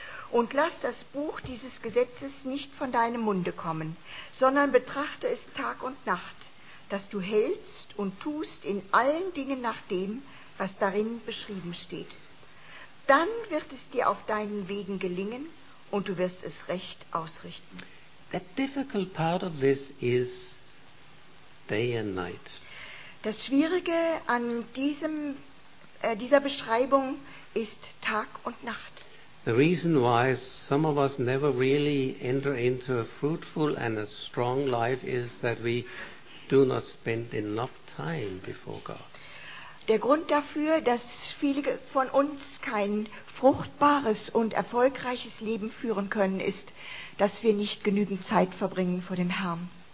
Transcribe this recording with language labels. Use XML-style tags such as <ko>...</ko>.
<de>Und lass das Buch dieses Gesetzes nicht von deinem Munde kommen, sondern betrachte es Tag und Nacht, dass du hältst und tust in allen Dingen nach dem, was darin beschrieben steht. Dann wird es dir auf deinen Wegen gelingen und du wirst es recht ausrichten.</de> <en>The difficult part of this is day and night.</en> <de>Das Schwierige an dieser Beschreibung ist Tag und Nacht.</de> <en>The reason why some of us never really enter into a fruitful and a strong life is that we do not spend enough time before God.</en> <de>Der Grund dafür, dass viele von uns kein fruchtbares und erfolgreiches Leben führen können, ist, dass wir nicht genügend Zeit verbringen vor dem Herrn.</de>